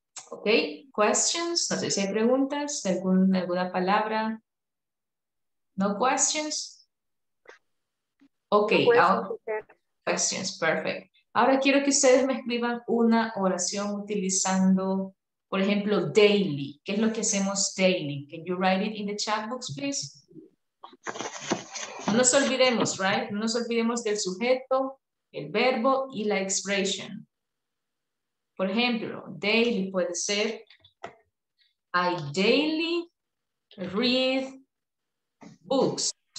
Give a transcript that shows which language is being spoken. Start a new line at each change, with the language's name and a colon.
English: Ok, questions,
Spanish: no sé si hay preguntas, alguna palabra.
English: No questions. Ok, questions, perfect.
Spanish: Ahora quiero que ustedes me escriban una oración utilizando, por ejemplo, daily. ¿Qué es lo que hacemos daily?
English: Can you write it in the chat box, please?
Spanish: No nos olvidemos, right? No nos olvidemos del sujeto, el verbo y la expression. Por ejemplo, daily puede ser
English: I daily read books.